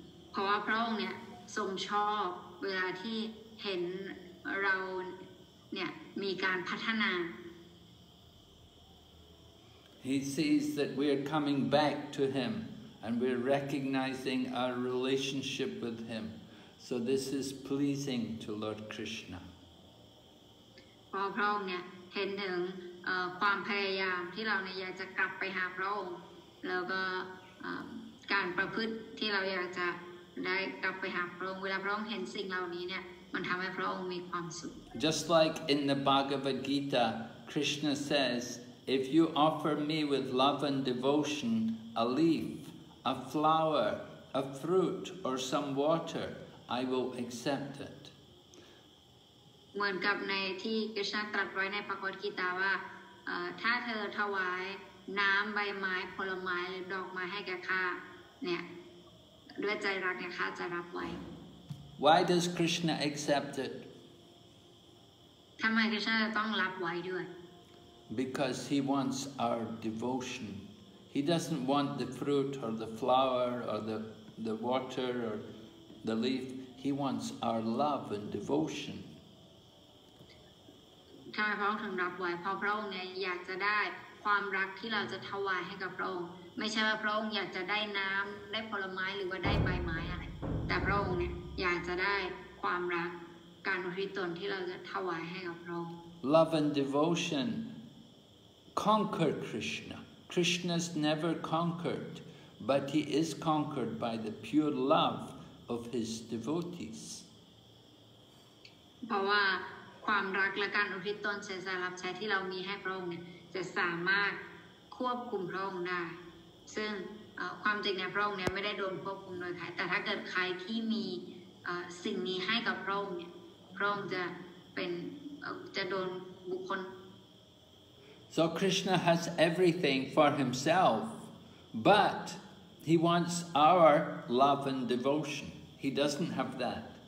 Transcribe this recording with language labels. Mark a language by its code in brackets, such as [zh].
[th] เพราะว่าพระองค์เนี่ยทรงชอบเวลาที่เห็นเราเนี่ยมีการพัฒนา [en] He sees that we are coming back to him and we're recognizing our relationship with him so this is pleasing to Lord Krishna [th] พระองค์เนี่ยเห็นถึงความพยายามที่เราเนี่ยอยากจะกลับไปหาพระองค์แล้วก็การประพฤติที่เราอยากจะได้กลับไปหาพระองค์เวลาพระองค์เห็นสิ่งเหล่านี้เนี่ยมันทำให้พระองค์มีความสุข [en] Just like in the Bhagavad Gita, Krishna says, if you offer me with love and devotion a leaf, a flower, a fruit, or some water, I will accept it. [th] เหมือนกับในที่ Krishna ตรัสไว้ในพระคัมภีร์กีตาว่าถ้าเธอถวายน้ำใบไม้ผลไม้หรือดอกไม้ให้แก่ข้าเนี่ยด้วยใจรักเนี่ยข้าจะรับไว้ [en] Why does Krishna accept it? [th] ทำไมคริสต์จะต้องรับไว้ด้วย [en] Because he wants our devotion. He doesn't want the fruit or the flower or the water or the leaf. He wants our love and devotion. [th] ทำไมพระองค์ถึงรับไว้เพราะพระองค์เนี่ยอยากจะได้ความรักที่เราจะถวายให้กับพระองค์ไม่ใช่ว่าพระองค์อยากจะได้น้ำได้ผลไม้หรือว่าได้ใบไม้อะไรแต่พระองค์เนี่ยอยากจะได้ความรักการอุทิศตนที่เราจะถวายให้กับพระองค์ [en] Love and devotion conquer Krishna. Krishna's never conquered, but he is conquered by the pure love of his devotees. [th] เพราะว่าความรักและการอุทิศตนเสียสละรับใช้ที่เรามีให้พระองค์เนี่ยจะสามารถควบคุมพระองค์ได้ซึ่งความจริงเนี่ยพระองค์เนี่ยไม่ได้โดนควบคุมโดยใครแต่ถ้าเกิดใครที่มีสิ่งนี้ให้กับพระองค์เนี่ยพระองค์จะเป็นจะโดนบุคคล [en] So Krishna has everything for himself but he wants our love and devotion he doesn't have that